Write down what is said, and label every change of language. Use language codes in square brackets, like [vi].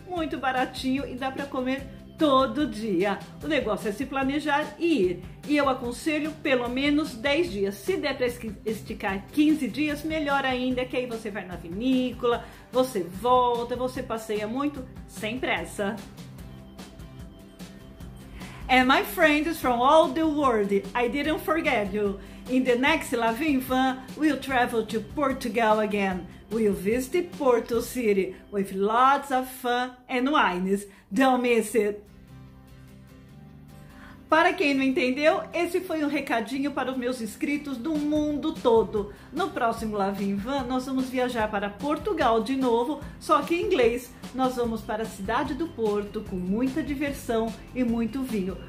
[pt] Muito baratinho e dá para comer todo dia. O negócio é se planejar e ir. E eu aconselho pelo menos 10 dias. Se der para esticar 15 dias, melhor ainda, que aí você vai na vinícola, você volta, você passeia muito, sem pressa. [en] And my friends from all the world, I didn't forget you. In the next La Vim Van, we'll travel to Portugal again. We'll visit Porto City with lots of fun and wines. Don't miss it! [pt] Para quem não entendeu, esse foi um recadinho para os meus inscritos do mundo todo. No próximo La Vim Van, nós vamos viajar para Portugal de novo, só que em inglês. Nós vamos para a cidade do Porto com muita diversão e muito vinho.